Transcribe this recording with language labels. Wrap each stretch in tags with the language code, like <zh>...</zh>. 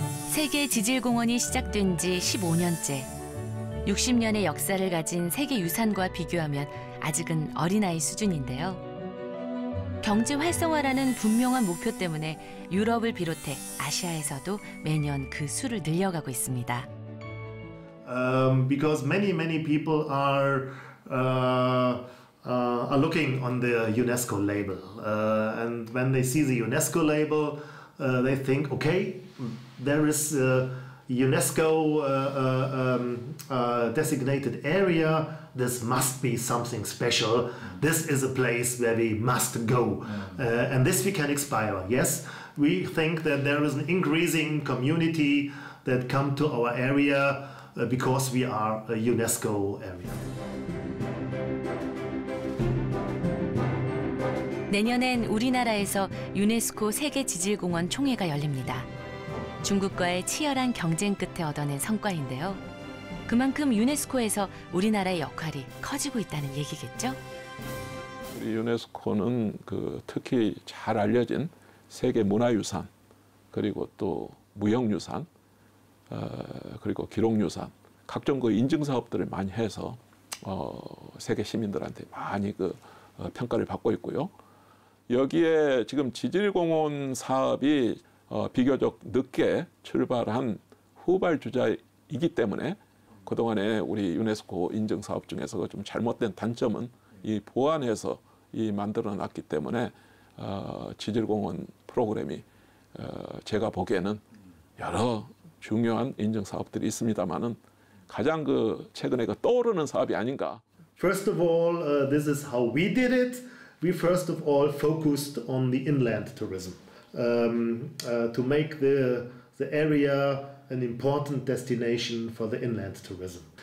<ko>세계 지질공원이 시작된 지 15년째. 60년의 역사를 가진 세계 유산과 비교하면 아직은 어린아이 수준인데요. 경제 활성화라는 분명한 목표 때문에 유럽을 비롯해 아시아에서도 매년 그 수를 늘려가고 있습니다.</ko> <en>Because many people are looking on the UNESCO label. And when they see the UNESCO label, they think, okay, there is a UNESCO designated area. This must be something special. This is a place where we must go. And this we can inspire. Yes, we think that there is an increasing community that come to our area because we are a UNESCO area.</en> <ko>내년엔 우리나라에서 유네스코 세계지질공원 총회가 열립니다. 중국과의 치열한 경쟁 끝에 얻어낸 성과인데요. 그만큼 유네스코에서 우리나라의 역할이 커지고 있다는 얘기겠죠? 우리 유네스코는 그 특히 잘 알려진 세계 문화유산, 그리고 또 무형유산, 그리고 기록유산, 각종 그 인증사업들을 많이 해서 세계 시민들한테 많이 그 평가를 받고 있고요. 여기에 지금 지질공원 사업이 비교적 늦게 출발한 후발주자이기 때문에 그동안에 우리 유네스코 인증 사업 중에서 좀 잘못된 단점은 이 보완해서 이 만들어놨기 때문에 지질공원 프로그램이 제가 보기에는 여러 중요한 인증 사업들이 있습니다만은 가장 그 최근에 그 떠오르는 사업이 아닌가.</ko> <en>First of all, this is how we did it. We first of all focused on the inland tourism to make the area an important destination for the inland tourism.</en>